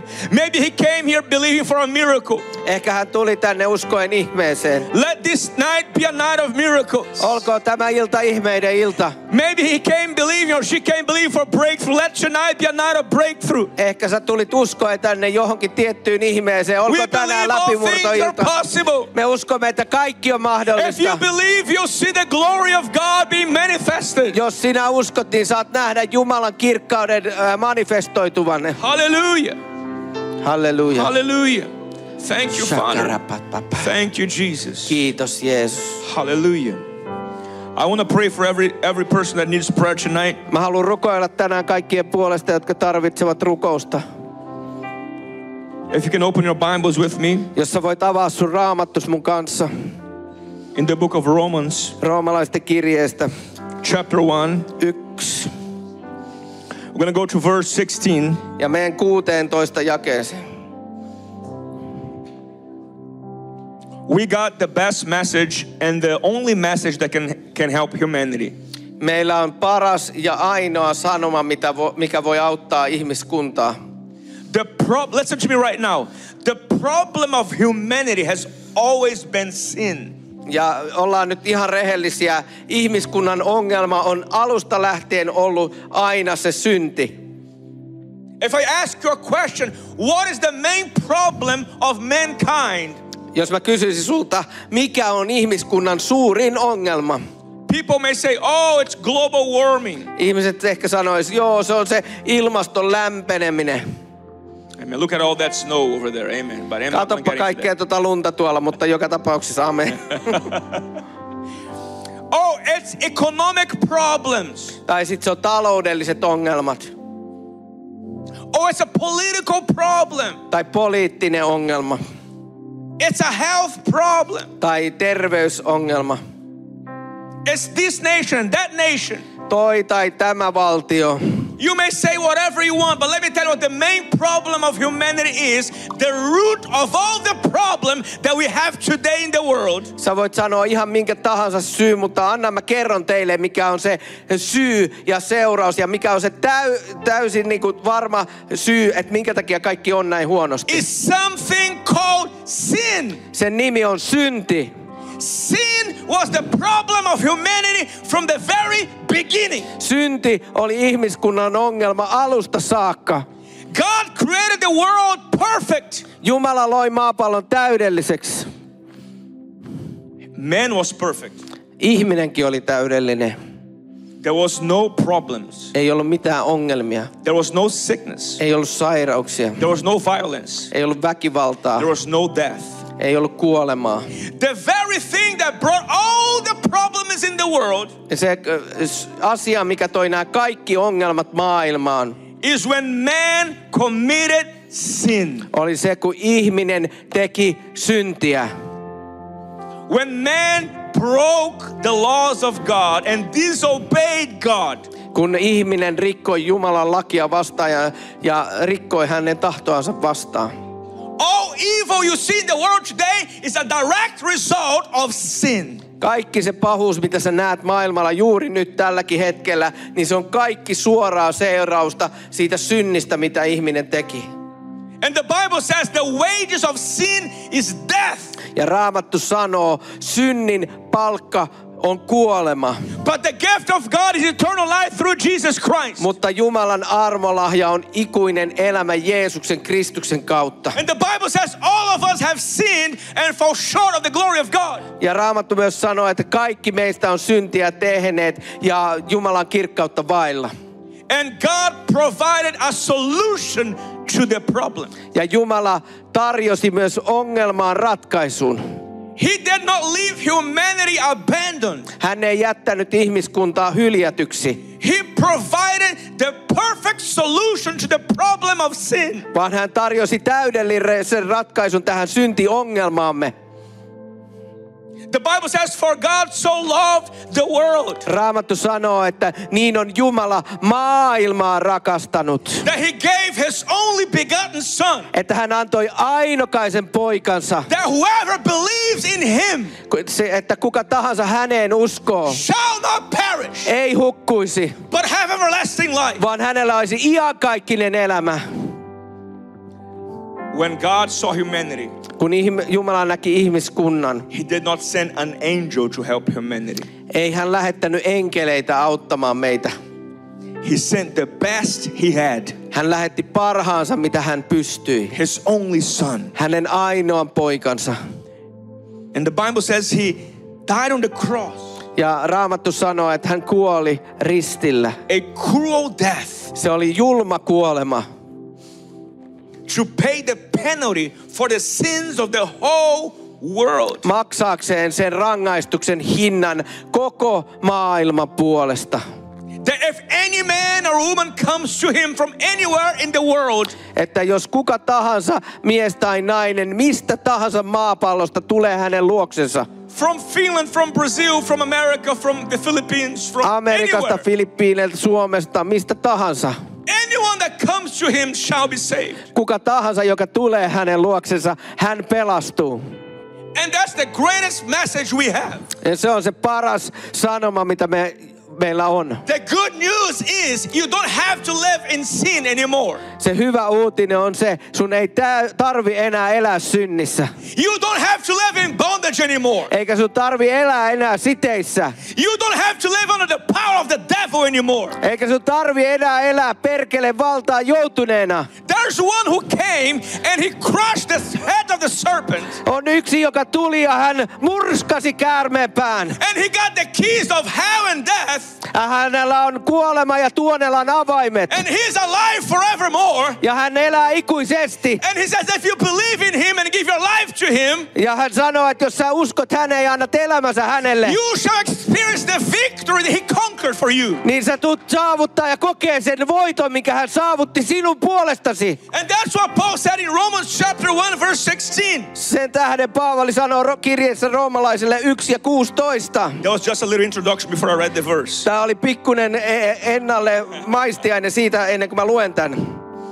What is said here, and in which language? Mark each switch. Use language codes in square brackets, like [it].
[en] Maybe he came here believing for a miracle. [fi] Ehkä hän tuli tänne uskoen ihmeeseen. [en] Let this night be a night of miracles. [fi] Olkoon tämä ilta ihmeiden ilta. [en] Maybe he came believing or she came believing for breakthrough. Let tonight be a night of breakthrough. [fi] Ehkä sä tulit uskoen tänne johonkin tiettyyn ihmeeseen. Olkoon tänään läpimurtoilta. Me uskomme, että kaikki on mahdollista. [en] If you believe, you'll see the glory of God being manifested. [fi] Jos sinä uskot, niin saat nähdä Jumalan kirkkauden manifestoituvanne. [en] Hallelujah. Hallelujah. Hallelujah. Thank you, Father. Thank you, Jesus. [fi] Kiitos, Jeesus. [en] Hallelujah. I want to pray for every person that needs prayer tonight. [fi] Mä haluan rukoilla tänään kaikkien puolesta, jotka tarvitsevat rukousta. [en] If you can open your Bibles with me. [fi] Jos sä voit avaa sun raamattus mun kanssa. [en] In the book of Romans. [fi] Roomalaisten kirjeestä. [en] Chapter 1. [fi] 1. [en] We're going to go to verse 16. [fi] Ja meidän 16 jakeeseen. [en] We got the best message and the only message that can help humanity. [fi] Meillä on paras ja ainoa sanoma, mikä voi auttaa ihmiskuntaa. [en] Listen to me right now. The problem of humanity has always been sin. [fi] Ja ollaan nyt ihan rehellisiä. Ihmiskunnan ongelma on alusta lähtien ollut aina se synti. [en] If I ask you a question, what is the main problem of mankind? [fi] Jos mä kysyisin sulta, mikä on ihmiskunnan suurin ongelma? [en] People may say, oh, it's global warming. [fi] Ihmiset ehkä sanois, joo, se on se ilmaston lämpeneminen. [en] Amen. Look at all that snow over there. Amen. But amen. [fi] Katoppa kaikkea tota lunta tuolla, mutta joka tapauksessa amen. [en] Oh, it's economic problems. [fi] Tai sit se on taloudelliset ongelmat. [en] Oh, it's a political problem. [fi] Tai poliittinen ongelma. [en] It's a health problem. [fi] Tai terveysongelma. [en] It's this nation, that nation. [fi] Toi tai tämä valtio. [en] You may say whatever you want, but let me tell you what the main problem of humanity is, the root of all the problem that we have today in the world. [fi] Sä voit sanoa ihan minkä tahansa syy, mutta anna mä kerron teille, mikä on se syy ja seuraus ja mikä on se täysin niinku varma syy, että minkä takia kaikki on näin huonosti. [en] It's something called sin. [fi] Sen nimi on synti. [en] Sin was the problem of humanity from the very beginning. [fi] Synti oli ihmiskunnan ongelma alusta saakka. [en] God created the world perfect. [fi] Jumala loi maapallon täydelliseksi. [en] Man was perfect. [fi] Ihminenkin oli täydellinen. [en] There was no problems. [fi] Ei ollut mitään ongelmia. [en] There was no sickness. [fi] Ei ollut sairauksia. [en] There was no violence. [fi] Ei ollut väkivaltaa. [en] There was no death. [fi] Ei ollut kuolemaa. [en] The very thing that brought all the problems in the world. [fi] Se asia, mikä toi nämä kaikki ongelmat maailmaan. [en] is when man committed sin. [fi] Oli se, kun ihminen teki syntiä. [en] When man broke the laws of God and disobeyed God. [fi] Kun ihminen rikkoi Jumalan lakia vastaan ja rikkoi hänen tahtoansa vastaan. [en] All evil you see in the world today is a direct result of sin. [fi] Kaikki se pahuus, mitä sä näet maailmalla juuri nyt tälläkin hetkellä, niin se on kaikki suoraa seurausta siitä synnistä, mitä ihminen teki. [en] And the Bible says the wages of sin is death. [fi] Ja Raamattu sanoo, synnin palkka on kuolema. [en] But the gift of God is eternal life through Jesus Christ. [fi] Mutta Jumalan armolahja on ikuinen elämä Jeesuksen Kristuksen kautta. [en] And the Bible says all of us have sinned and fall short of the glory of God. [fi] Ja Raamattu myös sanoo, että kaikki meistä on syntiä tehneet ja Jumalan kirkkautta vailla. [en] And God provided a solution to the problem. [fi] Ja Jumala tarjosi myös ongelmaan ratkaisun. [en] He did not leave humanity abandoned. [fi] Hän ei jättänyt ihmiskuntaa hyljätyksi. [en] He provided the perfect solution to the problem of sin. [fi] Vaan hän tarjosi täydellisen ratkaisun tähän syntiongelmaamme. [en] The Bible says, "For God so loved the world." [fi] Raamattu sanoo, että niin on Jumala maailmaa rakastanut. [en] That He gave His only begotten Son. [fi] Että hän antoi ainokaisen poikansa. [en] That whoever believes in Him. [fi] Se, että kuka tahansa häneen uskoo. [en] Shall not perish. [fi] Ei hukkuisi. [en] But have everlasting life. [fi] Vaan hänellä olisi iankaikkinen elämä. [en] When God saw humanity. [fi] Kun Jumala näki ihmiskunnan. [en] He did not send an angel to help humanity. [fi] Ei hän lähettänyt enkeleitä auttamaan meitä. [en] He sent the best he had. [fi] Hän lähetti parhaansa mitä hän pystyi. [en] His only son. [fi] Hänen ainoan poikansa. [en] And the Bible says he died on the cross. [fi] Ja Raamattu sanoo, että hän kuoli ristillä. [en] A cruel death. [fi] Se oli julma kuolema. [en] To pay the penalty for the sins of the whole world. [fi] Maksaakseen sen rangaistuksen hinnan koko maailman puolesta. [en] That if any man or woman comes to him from anywhere in the world. [fi] Että jos kuka tahansa mies tai nainen mistä tahansa maapallosta tulee hänen luoksensa. [en] From Finland, from Brazil, from America, from the Philippines, from anywhere. [fi] Amerikasta, Filippiineiltä, Suomesta, mistä tahansa. [en] Anyone that comes to him shall be saved. [fi] Kuka tahansa joka tulee hänen luoksensa, hän pelastuu. [en] And that's the greatest message we have. [fi] Ja se on se paras sanoma mitä meillä on. [en] The good news is you don't have to live in sin anymore. [fi] Se hyvä uutinen on se, sun ei tarvi enää elää synnissä. [en] You don't have to live in bondage anymore. [fi] Eikä sun tarvi elää enää siteissä. [en] You don't have to live under the power of the devil anymore. [fi] Eikä sun tarvi enää elää perkele valtaa joutuneena. [en] There's one who came and he crushed the head of the serpent. [fi] On yksi joka tuli ja hän murskasi käärmeen pään. [en] And he got the keys of hell and death. [fi] Hänellä on kuolema ja tuonelan avaimet. [en] And he's alive forevermore. [fi] Ja hän elää ikuisesti. [en] And he says if you believe in him and give your life to him. [fi] Ja hän sanoo, että jos sä uskot häneen ja annat elämänsä hänelle. [en] You shall experience the victory that he conquered for you. [fi] Niin sä tuut saavuttaa ja kokee sen voiton, minkä hän saavutti sinun puolestasi. [en] And that's what Paul said in Romans chapter 1 verse 16. [fi] Sen tähden Paavali sanoo kirjeessä roomalaisille 1:16. [en] That was just a little introduction before I read the verse. [fi] Tämä oli pikkuinen ennalle maistiainen siitä ennen kuin mä luen tämän.